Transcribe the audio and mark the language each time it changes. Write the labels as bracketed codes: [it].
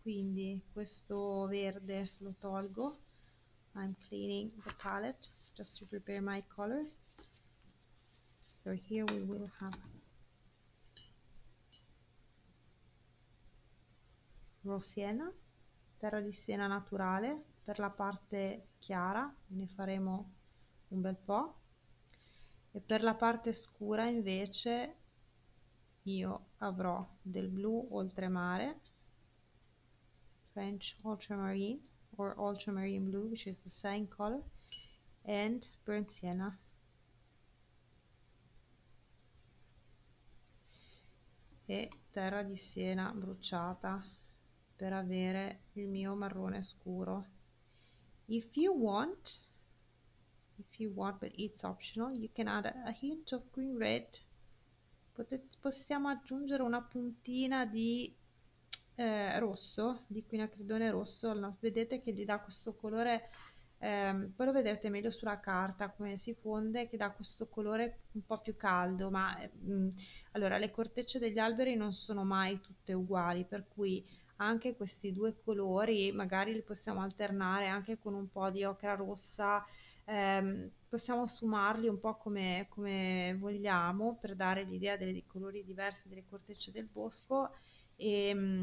[it] Quindi, questo verde lo tolgo. [en] I'm cleaning the palette just to prepare my colors. So, here we will have raw sienna, [it] terra di siena naturale. Per la parte chiara ne faremo un bel po' e per la parte scura invece io avrò del blu oltremare, [en] French ultramarine or ultramarine blue, which is the same color, and burnt sienna. [it] E terra di siena bruciata per avere il mio marrone scuro. [en] If you want, but it's optional, you can add a hint of green red. [it] Possiamo aggiungere una puntina di rosso, di quinacridone rosso. No, vedete che gli dà questo colore, poi lo vedrete meglio sulla carta come si fonde, che dà questo colore un po' più caldo. Ma allora, le cortecce degli alberi non sono mai tutte uguali, per cui anche questi due colori magari li possiamo alternare anche con un po' di ocra rossa, possiamo sfumarli un po' come vogliamo per dare l'idea dei colori diversi delle cortecce del bosco e